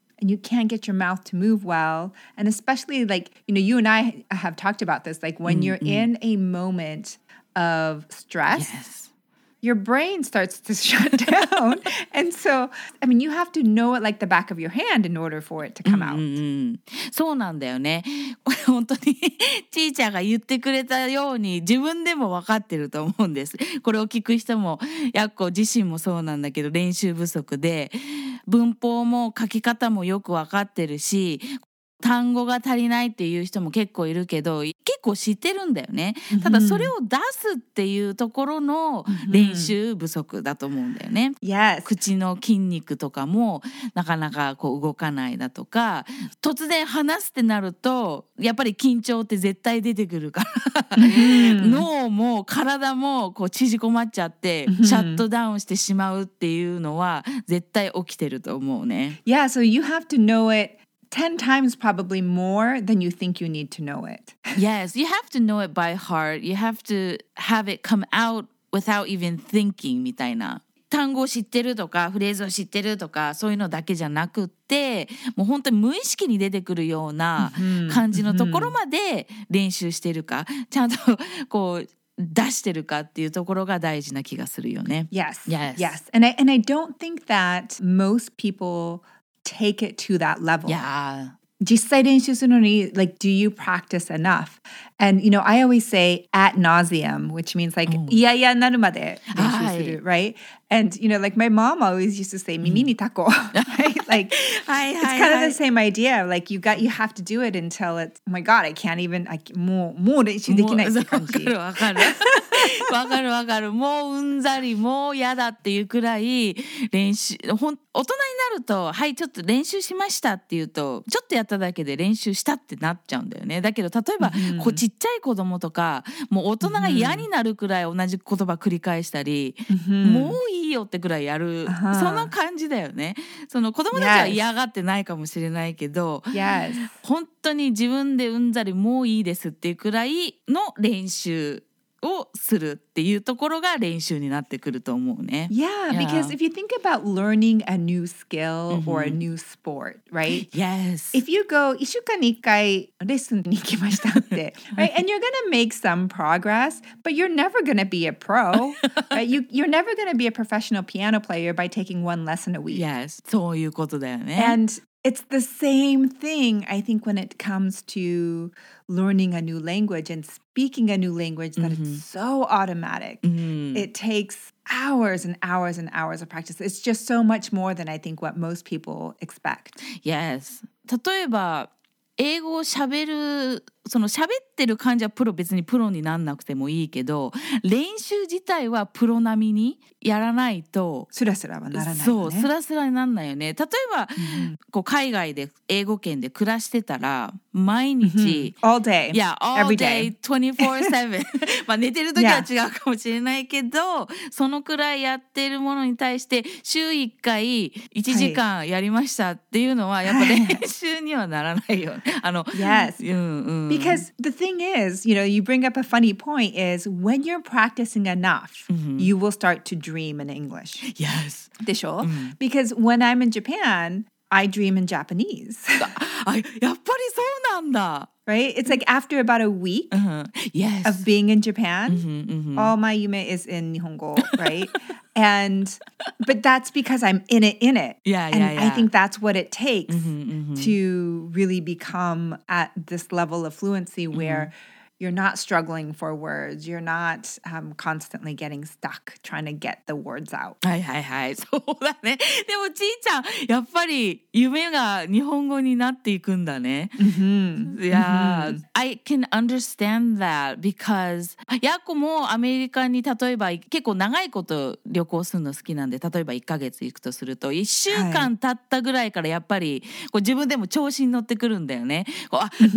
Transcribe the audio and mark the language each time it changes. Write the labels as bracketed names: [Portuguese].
[English] And you can't get your mouth to move well. And especially like, you know, you and I have talked about this, like when you're in a moment of stress, yes. your brain starts to shut down. And so, I mean, you have to know it like the back of your hand in order for it to come out. [Japanese] そうなんだよね。本当にちーちゃんが言ってくれたように自分でも分かってると思うんです。これを聞く人も、やっこ自身もそうなんだけど、練習不足で。文法も書き方もよくわかってるし、単語が足りないっていう人も結構いるけど、結構知ってるんだよね。ただそれを出すっていうところの練習不足だと思うんだよね。 [English] Yes. [Japanese] 口の筋肉とかもなかなかこう動かないだとか、突然話すってなるとやっぱり緊張って絶対出てくるから脳も体もこう縮こまっちゃってシャットダウンしてしまうっていうのは絶対起きてると思うね。 [English] Yeah, so you have to know it 10 times probably more than you think you need to know it. Yes, you have to know it by heart. You have to have it come out without even thinking みたいな。 [Japanese] 単語を知ってるとかフレーズを知ってるとかそういうのだけじゃなくって、もう本当に無意識に出てくるような感じのところまで練習してるか、ちゃんとこう出してるかっていうところが大事な気がするよね。 [English] Yes. Yes. Yes. And I don't think that most people take it to that level. Yeah. [Japanese] 実際練習するのに [English] like do you practice enough? And you know, I always say ad nauseam, which means like [Japanese] いやいやなるまで練習する、はい、 [English] right? And, you know, like my mom always used to say, [Japanese] 耳にタコ, [English] right? Like, it's kind of the same idea. Like, you have to do it until it's, oh my God, I can't even, like, [Japanese] もう練習できないって感じ。わかる。もううんざり、もうやだっていうくらい練習、大人になると、はい、ちょっと練習しましたっていうと、ちょっとやっただけで練習したってなっちゃうんだよね。だけど、例えば、こうちっちゃい子供とか、もう大人が嫌になるくらい同じ言葉繰り返したり、もういいよってくらいやる、その感じだよね。その子供たちは嫌がってないかもしれないけど、 [English] yes. [Japanese] 本当に自分でうんざりもういいですっていうくらいの練習をするっていうところが練習になってくると思うね。 [English] yeah, yeah, because if you think about learning a new skill or a new sport, right? Yes. If you go, [Japanese] 一週間に一回レッスンに行きましたって、 [English] right? And you're gonna make some progress, but you're never gonna be a pro, right? You're never gonna be a professional piano player by taking one lesson a week. [Japanese] Yes, そういうことだよね。 [English] AndIt's the same thing, I think, when it comes to learning a new language and speaking a new language, that mm-hmm. it's so automatic. Mm-hmm. It takes hours and hours and hours of practice. It's just so much more than I think what most people expect. Yes. [Japanese] 例えば、英語をしゃべる、その喋ってる感じはプロ、別にプロになんなくてもいいけど、練習自体はプロ並みにやらないとスラスラはならないよね。そう、スラスラになんないよね。例えば、うん、こう海外で英語圏で暮らしてたら毎日、mm-hmm. [English] All day Yeah, all Every [Japanese] day 24/7 まあ寝てる時は違うかもしれないけど、yeah. そのくらいやってるものに対して週1回1時間やりましたっていうのはやっぱ練習にはならないよね。あの、 [English] Yes [Japanese] うんうん。 [English] Because the thing is, you know, you bring up a funny point is when you're practicing enough, mm-hmm. you will start to dream in English. Yes. [Japanese] でしょ?Mm-hmm. [English] Because when I'm in Japan, I dream in Japanese. [Japanese] やっぱりそうなんだ。 [English] Right? It's like after about a week uh-huh. yes. of being in Japan, mm-hmm, mm-hmm. all my [Japanese] yume [English] is in [Japanese] Nihongo, [English] right? And, but that's because I'm in it. Yeah. I think that's what it takes mm-hmm, mm-hmm. to really become at this level of fluency where mm-hmm. you're not struggling for words. You're not constantly getting stuck trying to get the words out. [Japanese] はいはいはい。そうだね。でもちいちゃん、やっぱり夢が日本語になっていくんだね。 [English] Mm-hmm. Yeah. Mm-hmm. I can understand that because [Japanese] ヤコもアメリカに例えば結構長いこと旅行するの好きなんで、例えば1ヶ月行くとすると1週間経ったぐらいからやっぱりこう自分でも調子に乗ってくるんだよね。こうあ、mm-hmm.